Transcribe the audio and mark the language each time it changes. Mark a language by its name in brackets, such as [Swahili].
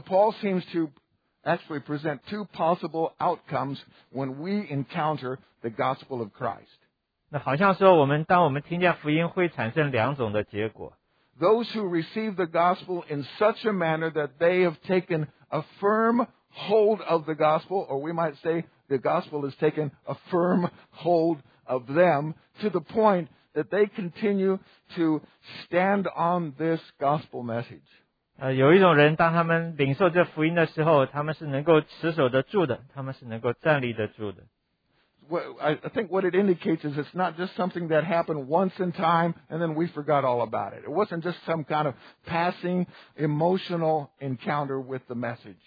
[English] Paul seems to actually present two possible outcomes when we encounter the gospel of Christ. [Chinese] 那好像说我们当我们听见福音会产生两种的结果。Those [English] who receive the gospel in such a manner that they have taken a firm hold of the gospel, or we might say the gospel has taken a firm hold of them to the point that they continue to stand on this gospel message. [Chinese] 有一种人，当他们领受这福音的时候，他们是能够持守得住的，他们是能够站立得住的。 [English] I think what it indicates is it's not just something that happened once in time and then we forgot all about it. It wasn't just some kind of passing emotional encounter with the message.